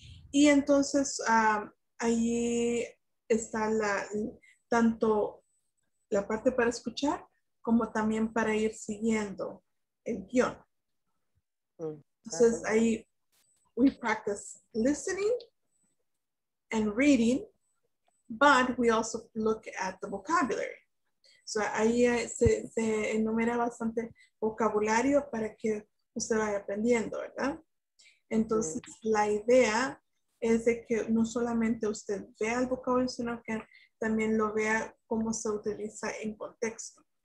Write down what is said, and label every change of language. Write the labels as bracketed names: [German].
[Spanish] Y entonces ahí está tanto la parte para escuchar como también para ir siguiendo el guión. Entonces ahí [English] we practice listening and reading, but we also look at the vocabulary. [Spanish] So ahí se enumera bastante vocabulario para que usted vaya aprendiendo, ¿verdad? Entonces, la idea es de que no solamente usted vea el vocabulario, sino que también lo vea cómo se utiliza en contexto.